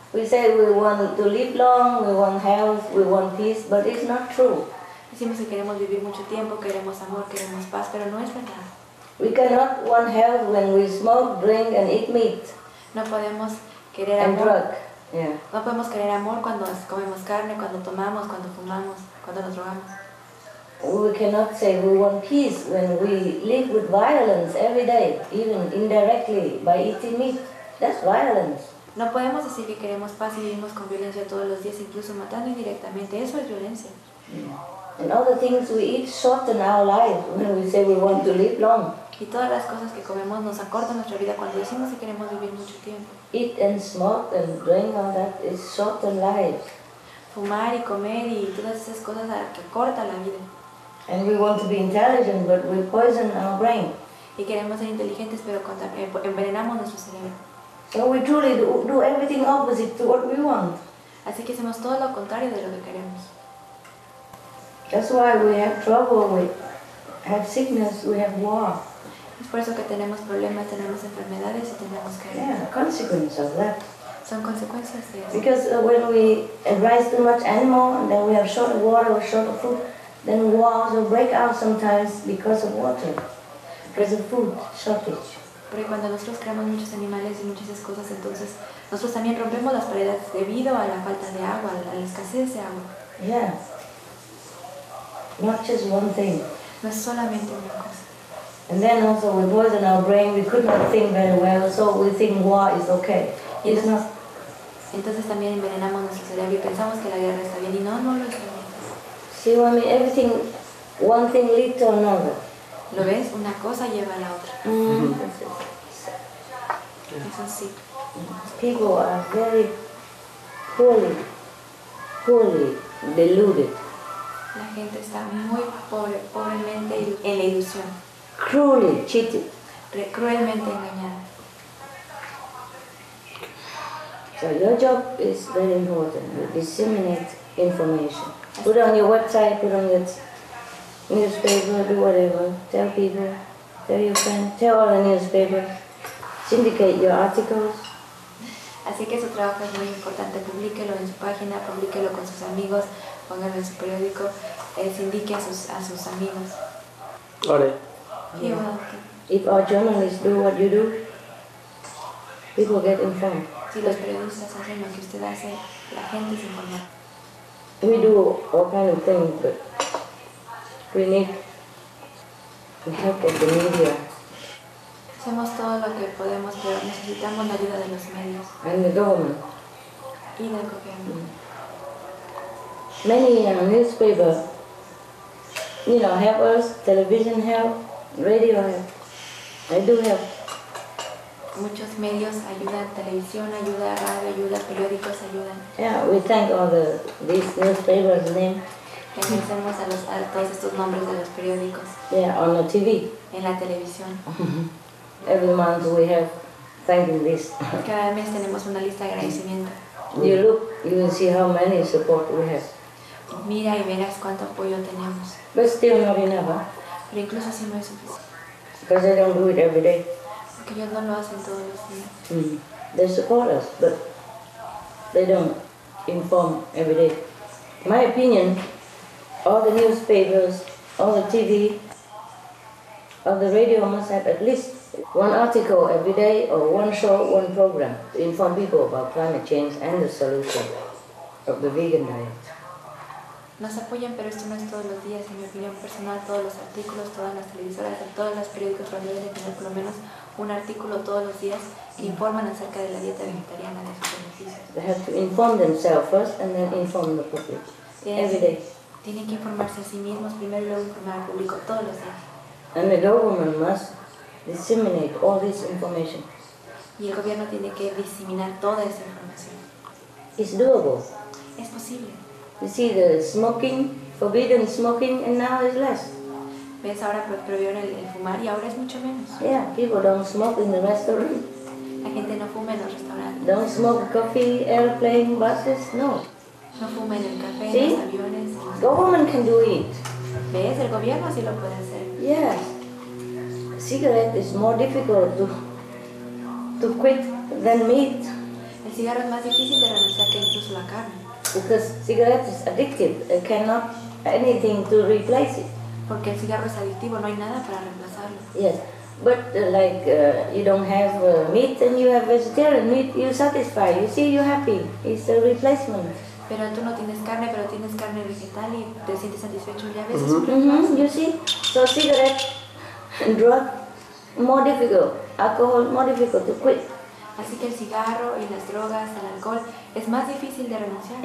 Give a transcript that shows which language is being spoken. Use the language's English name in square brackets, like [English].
[English] We say we want to live long, we want health, we want peace, but it's not true. [Spanish] Decimos que queremos vivir mucho tiempo, queremos amor, queremos paz, pero no es verdad. [English] We cannot want health when we smoke, drink and eat meat. [Spanish] No podemos querer amor. [English] Drug. Yeah. [Spanish] No podemos querer amor cuando comemos carne, cuando tomamos, cuando fumamos, cuando nos drogamos. [English] We cannot say we want peace when we live with violence every day, even indirectly by eating meat. That's violence. [Spanish] No podemos decir que queremos paz y vivimos con violencia todos los días, incluso matando indirectamente. Eso es violencia. [English] And all the things we eat shorten our life when we say we want to live long. [Spanish] Y todas las cosas que comemos nos acortan nuestra vida cuando decimos que queremos vivir mucho tiempo. [English] Eat and smoke and drink all that is shorten life. [Spanish] Fumar y comer y todas esas cosas que acortan la vida. [English] And we want to be intelligent, but we poison our brain. [Spanish] Y queremos ser inteligentes, pero envenenamos nuestro cerebro. [English] So we truly do everything opposite to what we want. [Spanish] Así que hacemos todo lo contrario de lo que queremos. [English] That's why we have trouble, we have sickness, we have war. [Spanish] Es por eso que tenemos problemas, tenemos enfermedades y tenemos que... [English] Yeah, consequences of that. [Spanish] Son consecuencias de eso. [English] Because when we raise too much animal, then we have short of water or short of food, then wars will break out sometimes because of water, because of food shortage. [Spanish] Porque cuando nosotros creamos muchos animales y muchas cosas, entonces nosotros también rompemos las paredes debido a la falta de agua, a la escasez de agua. [English] Yeah. Not just one thing. [Spanish] No es solamente una cosa. [English] And then also we poison our brain, we could not think very well, so we think war is okay. [Spanish] Y entonces, entonces también envenenamos nuestro cerebro y pensamos que la guerra está bien y no, no lo está bien. [English] See what I mean? Everything, one thing lead to another. [Spanish] ¿Lo ves? Una cosa lleva a la otra. Es así. [English] People are very poorly, poorly deluded. [Spanish] La gente está muy pobremente en la ilusión. [English] Cruelly cheated. [Spanish] Cruelmente engañada. [English] So your job is very important. You disseminate information. Put on your website, put on your newspaper, do whatever. Tell people, tell your friends, tell all the newspapers. Syndicate your articles. [Spanish] Así que su trabajo es muy importante. Publíquelo en su página, publíquelo con sus amigos, póngalo en su periódico, syndique a sus amigos. Ole. [English] If our journalists do what you do, people get informed. [Spanish] Si los periodistas hacen lo que usted hace, la gente se informa. [English] We do all kind of things, but we need the help of the media. [Spanish] Hacemos todo lo que podemos, pero necesitamos la ayuda de los medios. [English] And the government. [Spanish] Y del gobierno. [English] Many newspapers, you know, help us. Television help. Radio help. They do help. [Spanish] Muchos medios ayudan, televisión ayuda, radio ayuda, periódicos ayudan. [English] Yeah, we thank all these newspapers' names. [Spanish] Agradecemos a todos estos nombres de los periódicos. [English] Yeah, on the TV. [Spanish] En la televisión. [English] Every month we have thanking list. [Spanish] Cada mes tenemos una lista de agradecimiento. [English] You look, you will see how many support we have. [Spanish] Mira y verás cuánto apoyo tenemos. [English] But still not enough. [Spanish] Pero incluso así no es suficiente. [English] Because they don't do it every day. [Spanish] Que ellos no lo hacen todos los días. [English] They support us, but they don't inform every day. In my opinion, all the newspapers, all the TV, all the radio must have at least one article every day or one show, one program to inform people about climate change and the solution of the vegan diet. [Spanish] Nos apoyan, pero esto no es todos los días. En mi opinión personal, todos los artículos, todas las televisoras, todos los periódicos, radio deben tener por lo menos un artículo todos los días que informan acerca de la dieta vegetariana, de sus beneficios. [English] They have to inform themselves first and then inform the public. Every day. [Spanish] Tienen que informarse a sí mismos primero y luego informar al público todos los días. [English] And the government must disseminate all this information. [Spanish] Y el gobierno tiene que diseminar toda esa información. [English] It's doable. [Spanish] Es posible. [English] You see the smoking, forbidden smoking, and now it's less. [Spanish] ves ahora prohibió el fumar y ahora es mucho menos. [English] Yeah, people don't smoke in the restaurant. [Spanish] La gente no fuma en los restaurantes. [English] Don't smoke coffee, airplane, buses, no. [Spanish] No fuma en el café, en los aviones. [English] The government can do it. [Spanish] ¿Ves? El gobierno sí lo puede hacer. [English] Yes. Cigarette is more difficult to quit than meat. [Spanish] El cigarro es más difícil de renunciar que incluso la carne. [English] Because cigarette is addictive, it cannot anything to replace it. [Spanish] Porque el cigarro es adictivo, no hay nada para reemplazarlo. [English] Yes, but like you don't have meat and you have vegetarian meat, you satisfy, you see, you happy. It's a replacement. [Spanish] Pero tú no tienes carne, pero tienes carne vegetal y te sientes satisfecho. Ya ves, [English] You see, so cigarette, drug, more difficult, alcohol, more difficult to quit. [Spanish] Así que el cigarro y las drogas, el alcohol, es más difícil de renunciar.